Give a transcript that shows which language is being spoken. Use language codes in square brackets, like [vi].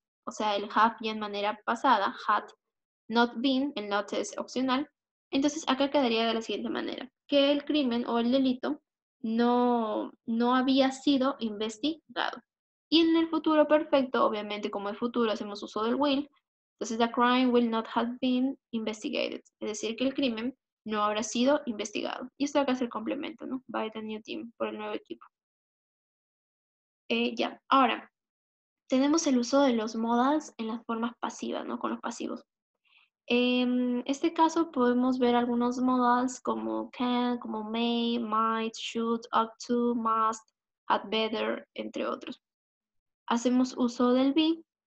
[es] O sea, el have ya en manera pasada, [en] had not been, [es] el not es opcional. Entonces, acá quedaría de la siguiente manera. Que el crimen o el delito no había sido investigado. Y en el futuro perfecto, obviamente como el futuro hacemos uso del will. [en] Entonces, the crime will not have been investigated. [es] Es decir, que el crimen no habrá sido investigado. Y esto acá es el complemento, ¿no? [en] By the new team, [es] por el nuevo equipo. Ahora. Tenemos el uso de los modals en las formas pasivas, ¿no? Con los pasivos. En este caso podemos ver algunos modals como can, como may, might, should, ought to, must, had better, entre otros. Hacemos uso del be